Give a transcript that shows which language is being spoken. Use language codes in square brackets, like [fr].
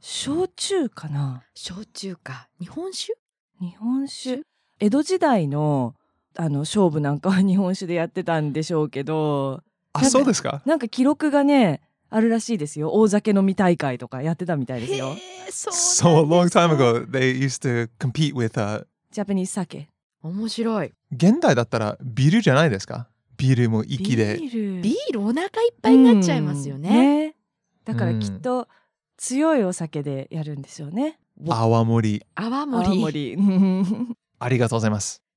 [ja] 焼酎かな。焼酎か。日本酒、日本酒。江戸時代の勝負なんかは日本酒でやってたんでしょうけど。あ、そうですか。なんか記録がね、あるらしいですよ。大酒飲み大会とかやってたみたいですよ。 [en] So a long time ago, they used to compete with a Japanese sake. [ja] 面白い。現代だったらビールじゃないですか。ビールも息で。ビールお腹いっぱいになっちゃいますよね。ね、だからきっと強いお酒でやるんですよね。泡盛り。ありがとうございます。